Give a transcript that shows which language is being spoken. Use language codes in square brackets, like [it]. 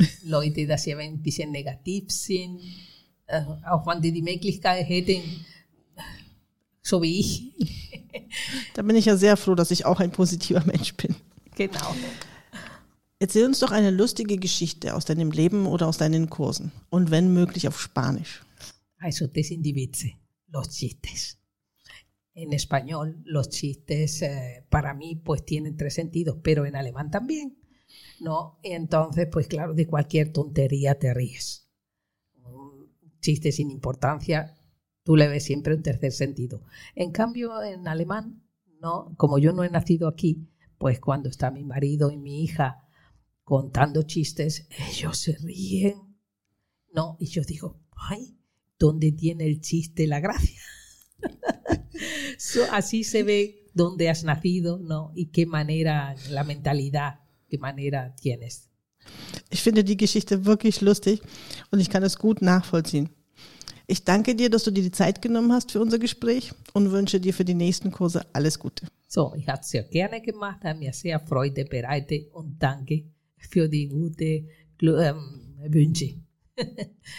[de] Leute, dass sie ein bisschen negativ sind, auch wenn die Möglichkeit hätten, so wie ich. Da bin ich ja sehr froh, dass ich auch ein positiver Mensch bin. Genau. Erzähl uns doch eine lustige Geschichte aus deinem Leben oder aus deinen Kursen. Und wenn möglich auf Spanisch. Also das sind die Witze, [es] los chistes. En español, los chistes para mí pues tienen tres sentidos, pero en alemán también, ¿no? Y entonces, pues claro, de cualquier tontería te ríes. Chistes sin importancia, tú le ves siempre un tercer sentido. En cambio, en alemán, ¿no? Como yo no he nacido aquí, pues cuando está mi marido y mi hija contando chistes, ellos se ríen, ¿no? Y yo digo, ay, ¿dónde tiene el chiste la gracia? So, así se ve dónde has nacido, ¿no? Y qué manera, la mentalidad, qué manera tienes. [de] Ich finde die Geschichte wirklich lustig und ich kann es gut nachvollziehen. Ich danke dir, dass du dir die Zeit genommen hast für unser Gespräch und wünsche dir für die nächsten Kurse alles Gute. So, ich habe es sehr gerne gemacht, habe mir sehr Freude bereitet und danke für die gute Wünsche.